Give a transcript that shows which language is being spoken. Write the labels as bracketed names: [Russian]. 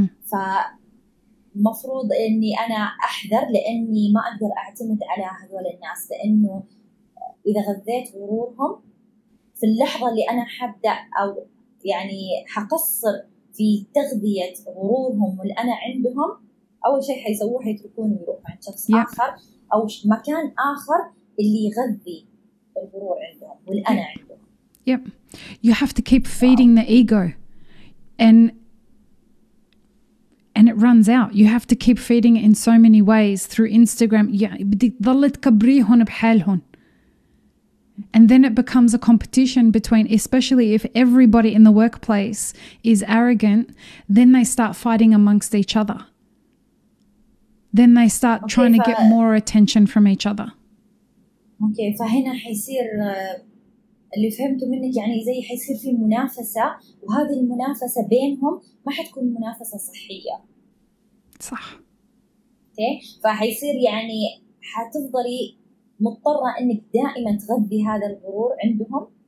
[Arabic] فمفروض إني أنا أحذر، لأني ما أقدر أعتمد على هذول الناس، لأنه إذا غذيت غرورهم في اللحظة اللي أنا حبدأ أو يعني حقصر في تغذية غرورهم والأنا عندهم، أول شيء حيسووه حيتركوني يروح عند شخص آخر أو مكان آخر اللي يغذي الغرور عندهم والأنا عندهم. [English] Yep. You have to keep feeding the ego and it runs out. You have to keep feeding it in so many ways through Instagram. [Arabic] Yeah, بدي تظل تكبريهم بحالهم. [English] And then it becomes a competition between, especially if everybody in the workplace is arrogant, then they start fighting amongst each other. Then they start trying to get more attention from each other. [Arabic] Okay, فهنا حيصير اللي فهمته منك يعني زي حيصير في منافسة، وهذه المنافسة بينهم ما حتكون منافسة صحية. صح. Okay, فحيصير يعني حتفضلي مضطرة إنك دائما تغذي هذا الغرور عندهم.